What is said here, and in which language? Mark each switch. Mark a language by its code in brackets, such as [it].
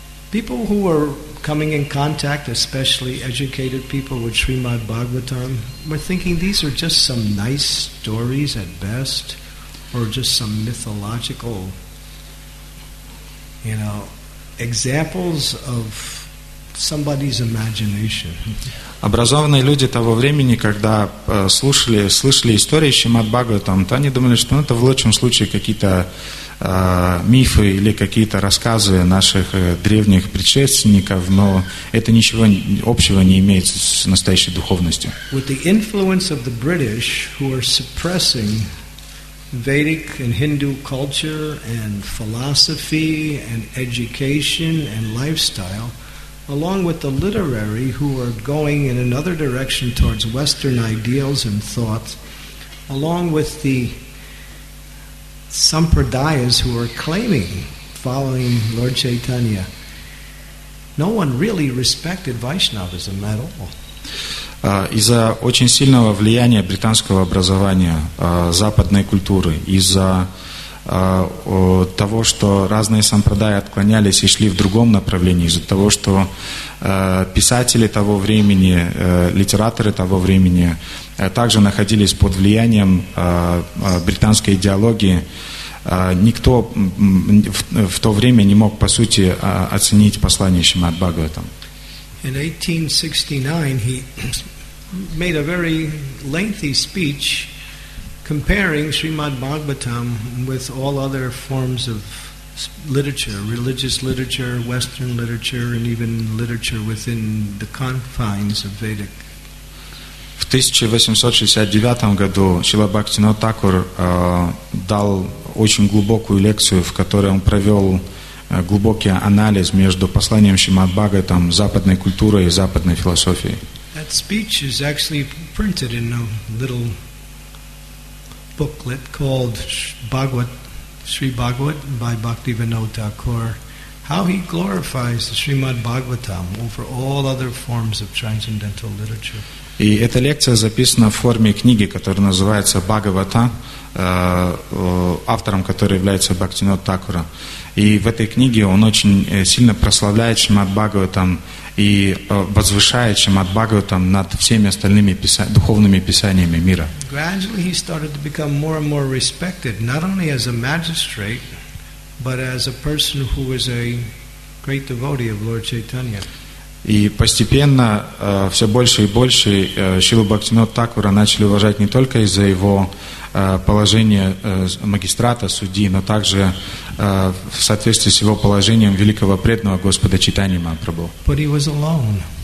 [en] People who were coming in contact, especially educated people with Srimad Bhagavatam, were thinking these are just some nice stories at best, or just some mythological, you know, examples of somebody's imagination. [ru] Образованные люди того времени, когда слышали истории Шримад Бхагаватам, то они думали, что это в лучшем случае какие-то мифы или какие-то рассказы наших древних предшественников, но это ничего общего не имеет с настоящей духовностью. [en] With the influence of the British, who are suppressing Vedic and Hindu culture and philosophy and education and lifestyle, along with the literary who are going in another direction towards Western ideals and thoughts, along with the sampradayas who are claiming following Lord Chaitanya, no one really respected Vaishnavism at all. [ru] Из-за очень сильного влияния британского образования, западной культуры, из-за того, что разные сампрадаи отклонялись и шли в другом направлении, из-за того, что писатели того времени, литераторы того времени также находились под влиянием британской идеологии, никто в то время не мог, по сути, оценить послание Шримад Бхагаватам. [en] In 1869 he made a very lengthy speech comparing Srimad Bhagavatam with all other forms of literature, religious literature, Western literature, and even literature within the confines of Vedic. [ru] В 1869 году Шрила Бхактивинод Тхакур дал очень глубокую лекцию, в которой он провел глубокий анализ между посланием Шримад Бхагаватам, западной культурой и западной философией. [en] That speech is actually printed in a little booklet called Bhagavat, Sri Bhagavat by Bhaktivinoda Thakur. How he glorifies the Srimad Bhagavatam over all other forms of transcendental literature. [ru] И эта лекция записана в форме книги, которая называется «Бхагавата», автором которой является Бхактивинод Тхакура. И в этой книге он очень сильно прославляет Шримад Бхагаватам и возвышает Шримад Бхагаватам над всеми остальными духовными писаниями мира. [en] Gradually he started to become more and more respected, not only as a magistrate, but as a person who was a great devotee of Lord Chaitanya. [ru] И постепенно все больше и больше Шрилу Бхактивинода Тхакура начали уважать не только из-за его положения магистрата, судьи, но также в соответствии с его положением великого преданного Господа Чайтаньи Махапрабху. [en] But he was alone.